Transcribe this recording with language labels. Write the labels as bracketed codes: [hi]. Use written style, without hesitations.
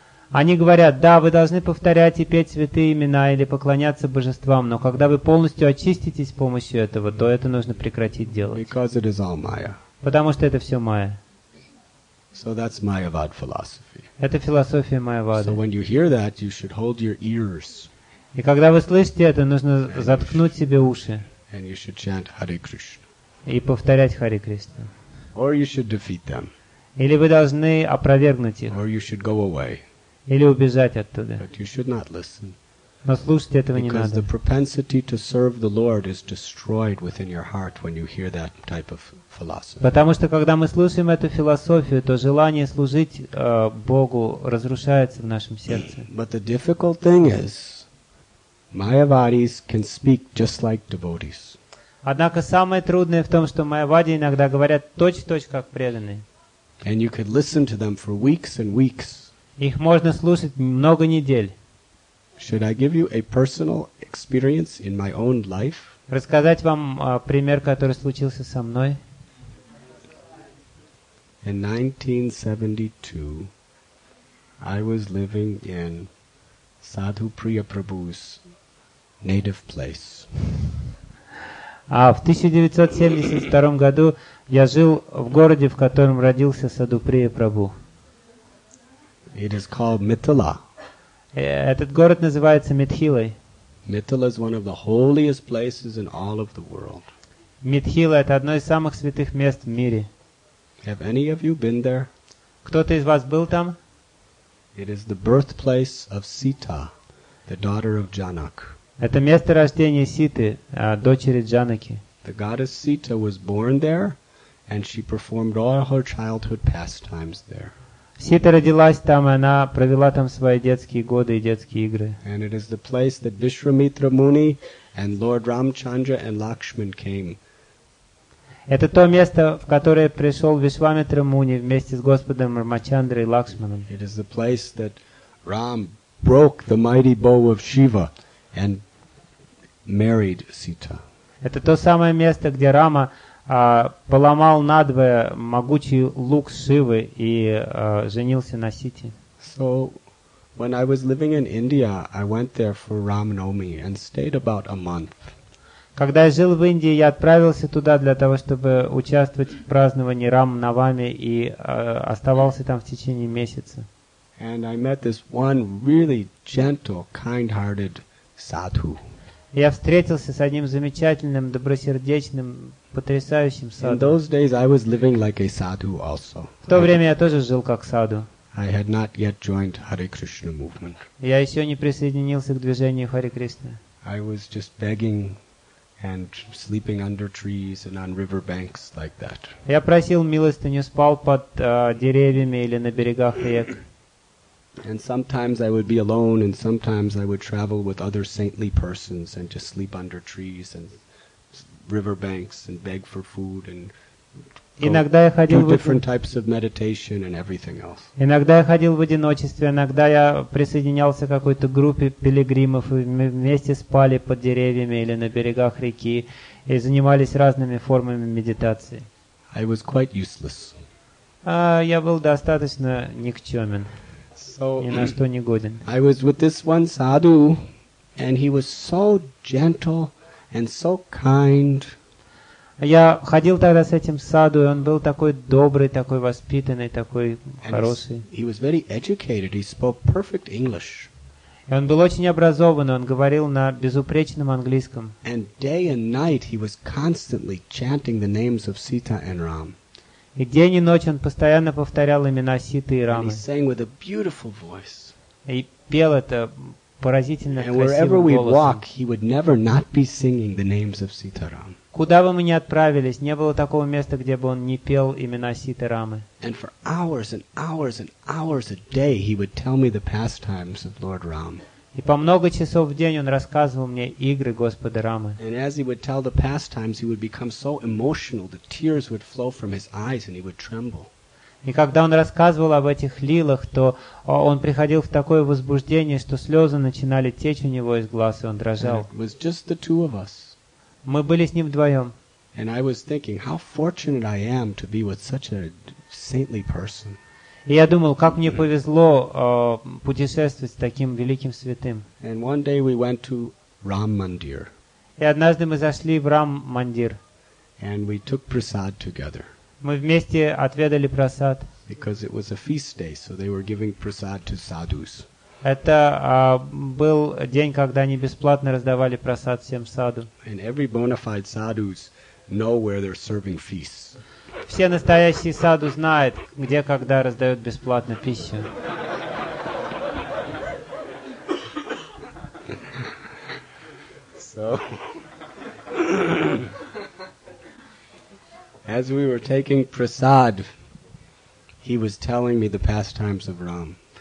[ru] Они говорят, да, вы должны повторять и петь святые имена или поклоняться божествам, но когда вы полностью очиститесь с помощью этого, то это нужно прекратить делать. [en] Because it is all Maya. [ru] Потому что это все Майя. [en] So that's Mayavad philosophy. [ru] Это философия Майявады. [en] So when you hear that, you should hold your ears. [ru] И когда вы слышите это, нужно заткнуть себе уши. [en] And you should chant Hare Krishna. [ru] И повторять Харе Кришна. [en] Or you should defeat them. [ru] Или вы должны опровергнуть их. [en] Or you should go away. [ru] Или убежать оттуда. [en] But you should not listen. [ru] Но слушать этого не надо. [en] Because the propensity to serve the Lord is destroyed within your heart when you hear that type of philosophy. [ru] Потому что когда мы слушаем эту философию, то желание служить Богу разрушается в нашем сердце. [en] But the difficult thing is, Mayavadis can speak just like devotees. [ru] Однако самое трудное в том, что майявади иногда говорят точь-в-точь как преданные. [en] And you could listen to them for weeks and weeks. [ru] Их можно слушать много недель. [en] Should I give you a personal experience in my own life? [ru] Рассказать вам пример, который случился со мной. [en] In 1972, I was living in Sadhu Priya Prabhu's native place. [ru] А в 1972 году я жил в городе, в котором родился Саду Прия Прабу. [en] It is called Mithila. [ru] Этот город называется Митхилой. [en] Mithila is one of the holiest places in all of the world. [ru] Митхила — это одно из самых святых мест в мире. [en] Have any of you been there? [ru] Кто-то из вас был там? [en] It is the birthplace of Sita, the daughter of Janak. [ru] Это место рождения Ситы, дочери Джанаки. [en] The goddess Sita was born there, and she performed all her childhood pastimes there. [ru] Сита родилась там, и она провела там свои детские годы и детские игры. [en] And it is the place that Vishwamitra Muni and Lord Ramchandra and Lakshman came. [ru] Это то место, в которое пришел Вишвамитра Муни вместе с Господом Рамачандрой и Лакшманом. [en] It is the place that Ram broke the mighty bow of Shiva and married Sita. [ru] Это то самое место, где Рама поломал надвое могучий лук Шивы и женился на Сите. [en] So when I was living in India, I went there for Ram Navami and stayed about a month. [ru] Когда я жил в Индии, я отправился туда для того, чтобы участвовать в праздновании Рам Навами и оставался там в течение месяца. [en] And I met this one really gentle, kind-hearted sadhu. [ru] Я встретился с одним замечательным, добросердечным, потрясающим садху. [en] In those days I was living like a sadhu also. [ru] В то время я тоже жил как садху. [en] I had not yet joined Hare Krishna movement. [ru] Я ещё не присоединился к движению Хари Кришна. [en] I was just begging and sleeping under trees and on river banks like that. [ru] Я просил милостыню, спал под деревьями или на берегах рек. [en] And sometimes I would be alone, and sometimes I would travel with other saintly persons and just sleep under trees and river banks and beg for food and [ru] иногда я ходил [en] do different types of meditation and everything else. [ru] Иногда я ходил в одиночестве, иногда я присоединялся к какой-то группе пилигримов, и мы вместе спали под деревьями или на берегах реки и занимались разными формами медитации. [en] I was quite useless. [ru] Я был достаточно никчемен. [en] So I was with this one sadhu, and he was so gentle and so kind. [ru] Я ходил тогда с этим саду, и он был такой добрый, такой воспитанный, такой хороший. [en] He was very educated. He spoke perfect English. [ru] И он был очень образованный. Он говорил на безупречном английском. [en] And day and night he was constantly chanting the names of Sita and Ram. [ru] И день и ночь он постоянно повторял имена Ситы и Рамы. [en] And he sang with a beautiful voice. [ru] И пел это поразительно красивым голосом. [en] And wherever we walk, he would never not be singing the names of Sita Ram. [ru] Куда бы мы ни отправились, не было такого места, где бы он не пел имена Ситы и Рамы. [en] And for hours and hours and hours a day, he would tell me the pastimes of Lord Ram. [ru] И по много часов в день он рассказывал мне игры Господа Рамы. [en] And as he would tell the pastimes, he would become so emotional that tears would flow from his eyes and he would tremble. [ru] И когда он рассказывал об этих лилах, то он приходил в такое возбуждение, что слезы начинали течь у него из глаз, и он дрожал. [en] It was just the two of us. [ru] Мы были с ним вдвоем. [en] And I was thinking, how fortunate I am to be with such a saintly person. [ru] И я думал, как мне повезло путешествовать с таким великим святым. [en] And one day we went to Ram Mandir. [ru] И однажды мы зашли в Рам Мандир. [en] And we took prasad together. [ru] Мы вместе отведали прасад. [en] Because it was a feast day, so they were giving prasad to sadhus. [ru] Это был день, когда они бесплатно раздавали прасад всем саду. [en] And every bona fide sadhus know where they're serving feasts. [ru] Все настоящие саду знают, где когда раздают бесплатно пищу. [en] So, as we were taking prasad, he was telling me the pastimes of Ram.